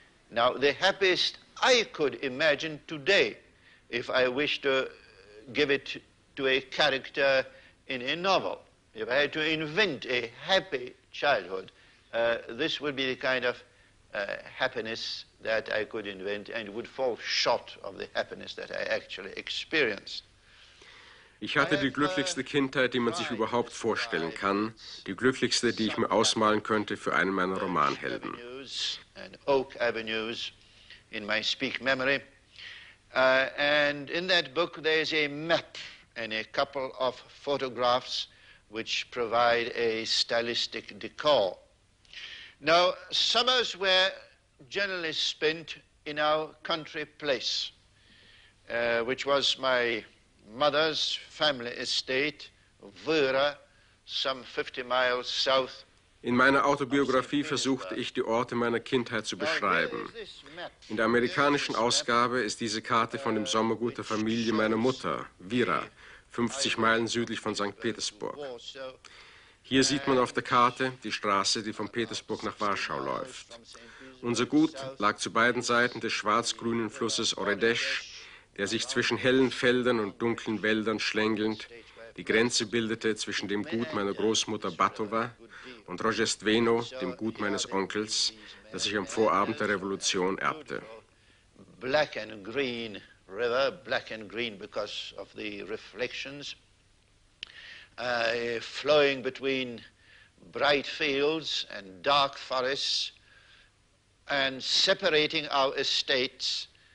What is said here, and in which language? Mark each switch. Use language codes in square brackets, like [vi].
[en] Now, the happiest I could imagine today, if I wish to give it to a character in a novel, if I had to invent a happy childhood, this would be the kind of happiness that I could invent and would fall short of the happiness that I actually experienced. [de] Ich hatte die glücklichste Kindheit, die man sich überhaupt vorstellen kann, die glücklichste, die ich mir ausmalen könnte für einen meiner Romanhelden. [en] And Oak Avenues in my speak memory. And in that book there is a map and a couple of photographs which provide a stylistic decor. Now, summers were generally spent in our country place, which was my mother's family estate, Vöhre, some 50 miles south. [de] In meiner Autobiografie versuchte ich, die Orte meiner Kindheit zu beschreiben. In der amerikanischen Ausgabe ist diese Karte von dem Sommergut der Familie meiner Mutter, Vöhre, 50 Meilen südlich von St. Petersburg. Hier sieht man auf der Karte die Straße, die von Petersburg nach Warschau läuft. Unser Gut lag zu beiden Seiten des schwarz-grünen Flusses Oredesch, der sich zwischen hellen Feldern und dunklen Wäldern schlängelnd die Grenze bildete zwischen dem Gut meiner Großmutter Batova und Rojestveno, dem Gut meines Onkels, das ich am Vorabend der Revolution erbte. [en] Black and green river, black and green because of the reflections, flowing between bright fields and dark forests and separating our estates.